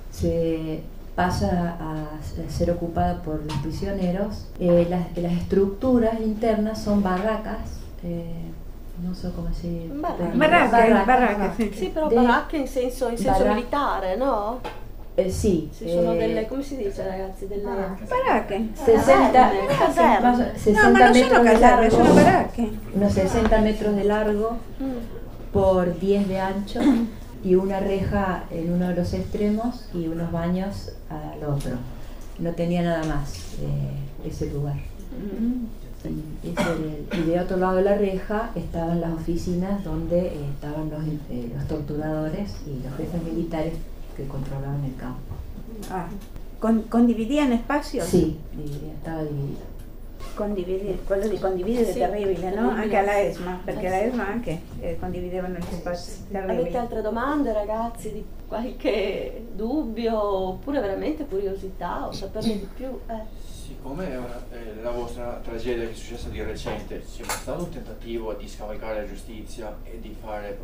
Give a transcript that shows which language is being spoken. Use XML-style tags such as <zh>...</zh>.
<es>Se pasa a ser ocupada por los prisioneros. Las estructuras internas son barracas</es> <it>non so come si baracche, sì, però baracche in senso militare, no? Sì, sono delle, come si dice, ragazzi, delle baracche. 60 metri di largo, sono baracche.</it> <es>No, 60 metros de largo por 10 de ancho y una reja en uno de los extremos y unos baños al otro. No tenía nada más ese lugar. Y de otro lado de la reja estaban las oficinas donde estaban los torturadores y los jefes militares que controlaban el campo. Ah, ¿condividían espacios? Sí, estaba dividido.</es> <it>Quello di condividere sì, è terribile, no? Anche alla ESMA, perché la ESMA anche condividevano gli spazi terribili. Avete altre domande, ragazzi, di qualche dubbio oppure veramente curiosità o saperne di più? Siccome la vostra tragedia che è successa di recente, c'è stato un tentativo di scavalcare la giustizia e di fare</it>